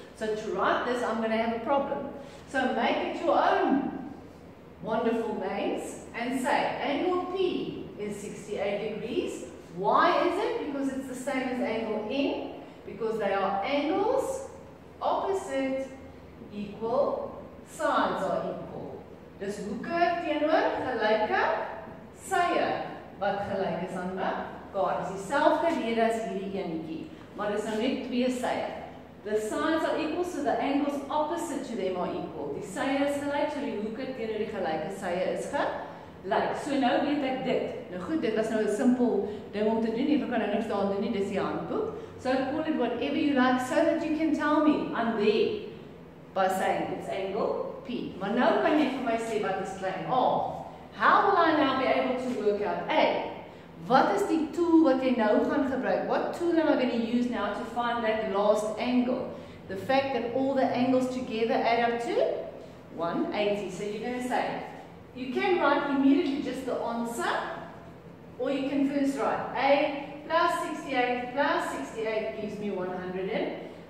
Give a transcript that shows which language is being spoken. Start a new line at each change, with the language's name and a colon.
English: So to write this, I'm going to have a problem. So make it your own wonderful names and say, angle P is 68 degrees. Why is it? Because it's the same as angle N. Because they are angles opposite equal sides are equal.
Afrikaans: Dis hoeke teenoor gelyke sye wat gelyk is aan mekaar. Dis dieselfde rede as hierdie eenetjie, maar dis nou net twee sye.
English: The sides are equal, so the angles opposite to them are equal.
Afrikaans: Die sye is gelyk, so die hoeke teenoor die gelyke sye is gelyk. So nou weet ek dit. Nou goed, dit was nou 'n simpel ding om te doen. Ek kan nou niks daaraan doen nie, dis die handboek.
English: So call it whatever you like, so that you can tell me, I'm there. By saying it's angle P.
Afrikaans: Maar nou kan jy vir my sê wat is klein A.
English: How will I now be able to work out A?
Afrikaans: Wat is die tool wat jy nou gaan gebruik?
English: What tool am I going to use now to find that last angle? The fact that all the angles together add up to 180. So you're going to say, you can write immediately just the answer, or you can first write A plus 68 plus 68 gives me 180.